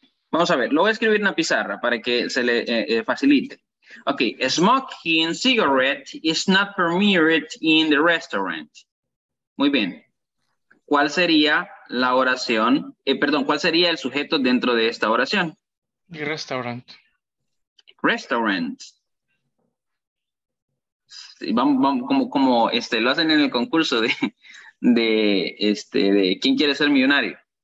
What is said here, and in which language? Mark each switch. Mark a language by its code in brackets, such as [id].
[es] Vamos a ver, lo voy a escribir en la pizarra para que se le facilite. [en] Ok, smoking cigarette is not permitted in the restaurant. [es] Muy bien. ¿Cuál sería la oración? Perdón, ¿cuál sería el sujeto dentro de esta oración? [en] The restaurant. Restaurant. [es] Sí, vamos como lo hacen en el concurso de ¿quién quiere ser millonario?